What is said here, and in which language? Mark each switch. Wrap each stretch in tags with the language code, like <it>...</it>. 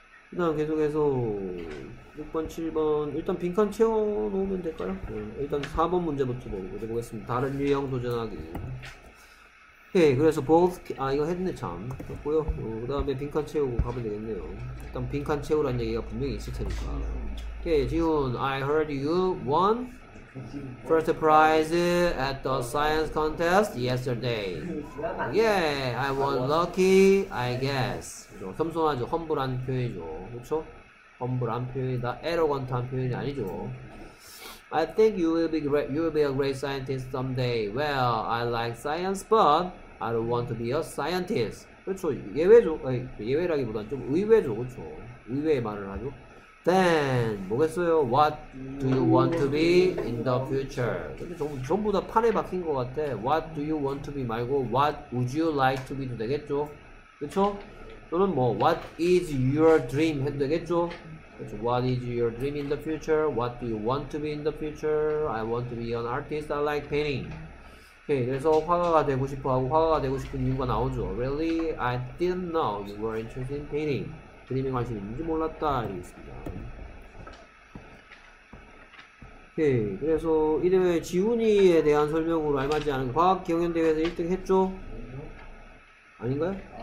<ko>그 다음 계속해서 6번, 7번 일단 빈칸 채워놓으면 될까요? 일단 4번 문제부터 보고 보겠습니다. 다른 유형 도전하기. 오케이. 그래서 이거 했네 참. 됐고요. 그 다음에 빈칸 채우고 가면 되겠네요. 일단 빈칸 채우라는 얘기가 분명히 있을 테니까. 오케이.</ko> <en>지훈, I heard you won first prize at the science contest yesterday. Yeah, I was lucky, I guess.</en> <ko>그렇죠. 겸손하죠. 험블한 표현이죠. 그렇죠? 험블한 표현이다. 에러건트한 표현이 아니죠.</ko> <en>I think you will be a great scientist someday. Well, I like science, but I don't want to be a scientist.</en> <ko>그렇죠. 예외죠. 예외라기보다는 좀 의외죠. 그렇죠. 의외의 말을 하죠. Then, 뭐겠어요?</ko> <en>What do you want to be in the future?</en> <ko>전부 다 판에 박힌 것 같아.</ko> <en>What do you want to be</en> <ko>말고</ko> <en>What would you like to be도 되겠죠?</en> <ko>그쵸? 또는 뭐</ko> <en>What is your dream</en> <ko>해도 되겠죠? 그쵸?</ko> <en>What is your dream in the future? What do you want to be in the future? I want to be an artist. I like painting.</en> <ko>오케이, 그래서 화가가 되고 싶어 하고 화가가 되고 싶은 이유가 나오죠.</ko> <en>Really? I didn't know you were interested in painting.</en> <ko>그림에 관심 있는지 몰랐다. 알겠습니다. 오케이. 그래서 이름의 지훈이에 대한 설명으로 알맞지 않은 과학 경연대회에서 1등 했죠? 아닌가요?</ko>